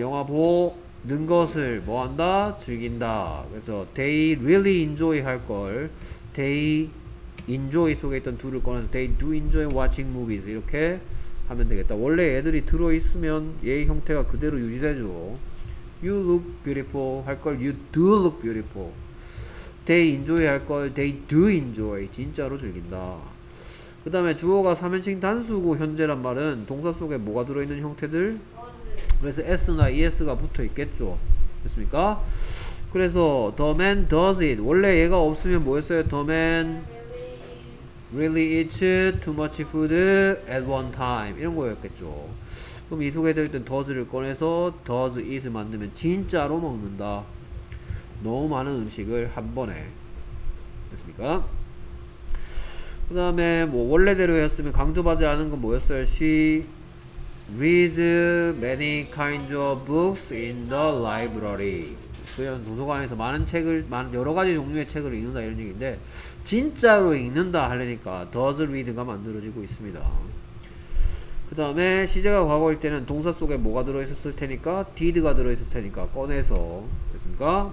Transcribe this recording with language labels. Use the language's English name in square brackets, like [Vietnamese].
[Korean] 영화 보는 것을 뭐한다? 즐긴다. 그래서 [English] They really enjoy [Korean] 할걸 [English] They enjoy [Korean] 속에 있던 to를 꺼내서 [English] They do enjoy watching movies [Korean] 이렇게 하면 되겠다. 원래 애들이 들어있으면 얘의 형태가 그대로 유지되죠. [English] You look beautiful [Korean] 할걸 [English] You do look beautiful. They enjoy [Korean] 할걸 [English] They do enjoy. [Korean] 진짜로 즐긴다. 그 다음에 주어가 3인칭 단수고 현재란 말은 동사 속에 뭐가 들어있는 형태들? 그래서 S나 ES가 붙어있겠죠. 됐습니까? [English] 그래서 The man does it. [Korean] 원래 얘가 없으면 뭐였어요? [English] The man really eats too much food at one time [Korean] 이런 거였겠죠. 그럼 이 속에 들 땐 does를 꺼내서 does eat 만들면 진짜로 먹는다. 너무 많은 음식을 한 번에 됐습니까? 그 다음에 뭐 원래대로였으면 강조받아야 하는 건 뭐였어요? [English] She reads many kinds of books in the library. [Korean] 그냥 도서관에서 많은 책을 여러 가지 종류의 책을 읽는다 이런 얘기인데 진짜로 읽는다 하려니까 does read가 만들어지고 있습니다. 그 다음에 시제가 과거일 때는 동사 속에 뭐가 들어있었을 테니까 did가 들어있었을 테니까 꺼내서 됐습니까?